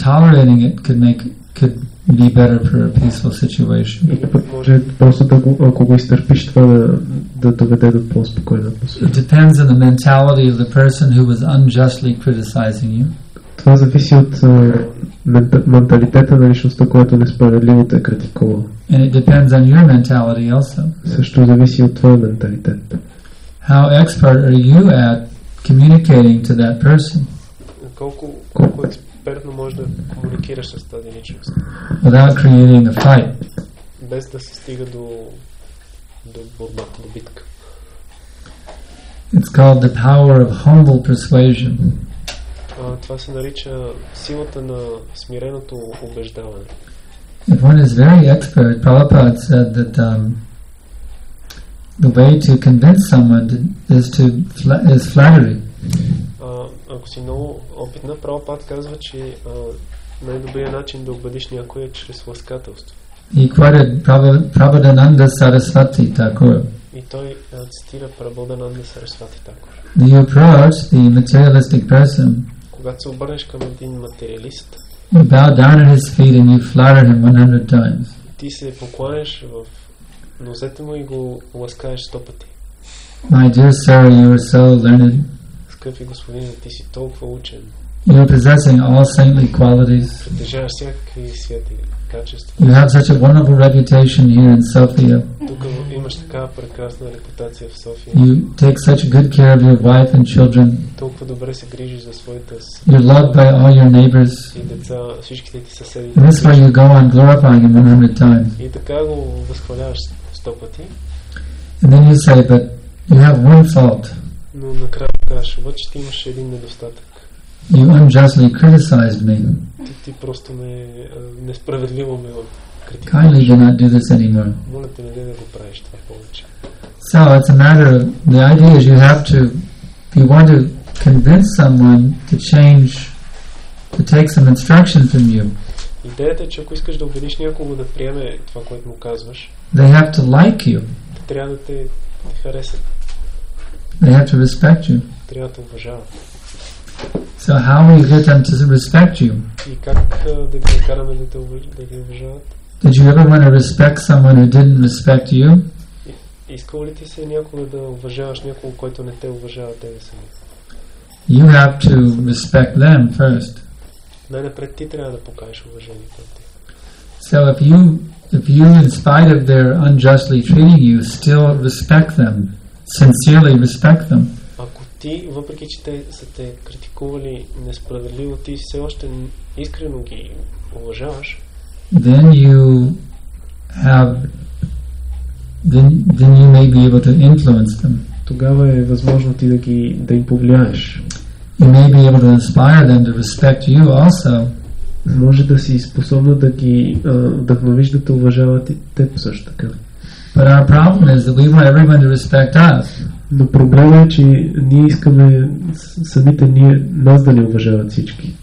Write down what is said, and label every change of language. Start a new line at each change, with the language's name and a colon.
English: tolerating it could be better for a peaceful situation. It depends on the mentality of the person who was unjustly criticizing you.
Bulgarian: Това зависи от менталитета на личността, която несправедливо те критикува.
English: And it depends on your mentality also.
Bulgarian: Също зависи от твоя менталитет.
English: How expert are you at communicating to that person?
Bulgarian: Колко експертно можеш да комуникираш с тази личност?
English: Without creating a fight.
Bulgarian: Без да се стига до борба, до битка.
English: It's called the power of humble persuasion.
Bulgarian: Това се нарича силата на смиреното убеждаване.
English: If one is very expert, Prabhupada said that the way to convince someone is flattery.
Bulgarian: Ако си много опитна, Прабхупада казва, че най-добрият начин да убедиш някой е чрез ласкателство.
English: He quoted Prabhadananda Sarasvati Thakur.
Bulgarian: И той цитира Прабхадананда Сарасвати Такур.
English: The approach the materialistic person.
Bulgarian: Когато се обърнеш към един материалист,
English: you bow down at his feet and you flatter him 100 times.
Bulgarian: Ти се покланяш в носете му и го ласкаеш 100 пъти.
English: My dear sir, you are so learned.
Bulgarian: Скъпи господин, ти си толкова учен.
English: You are possessing all saintly qualities.
Bulgarian: Притежаваш всякакви святи качества.
English: You have such a wonderful reputation here in Sofia.
Bulgarian: Тук имаш така прекрасна репутация в София.
English: You take such good care of your wife and children.
Bulgarian: Толкова добре се грижиш за своите.
English: You're loved by all your neighbors.
Bulgarian: И деца, всичките ти съседи.
English: And this is why you go on glorifying him 100 times.
Bulgarian: И така го възхваляваш 100 пъти.
English: And then you say, but you have one fault.
Bulgarian: Но накрая кажеш, обаче ти имаш един недостатък.
English: You unjustly criticized me.
Bulgarian: Ти просто ме несправедливо ме критикуваш.
English: Kindly do not do this anymore.
Bulgarian: Моля те, не да го правиш това повече.
English: So it's a matter of, the idea is you have to, if you want to convince someone to change, to take some instruction from you.
Bulgarian: Идеята е, че ако искаш да убедиш някого да приеме това, което му казваш,
English: they have to like you.
Bulgarian: Трябва да те харесат.
English: They have to respect you.
Bulgarian: Трябва да те уважават.
English: So how will you get them to respect you?
Bulgarian: И как да ги караме да те уважават?
English: Did you ever want to respect someone who didn't respect you?
Bulgarian: Искал ли ти се някога да уважаваш някого, който не те уважава тебе сами?
English: You have to respect them first.
Bulgarian: Най-напред ти трябва да покажеш уважение към тях.
English: So if you in spite of their unjustly treating you, still respect them, sincerely respect them.
Bulgarian: Ти, въпреки че те са те критикували несправедливо, ти все още искрено ги уважаваш.
English: Then you have then you may be able to influence them.
Bulgarian: Тогава е възможно ти да им повлияеш.
English: You may be able to inspire them to respect you also.
Bulgarian: Може да си способна да ги вдъхновиш да те уважават и те също така.
English: But our problem is that we want everyone to respect us.
Bulgarian: Но проблемът е, че ние искаме самите ние нас да ни уважават всички.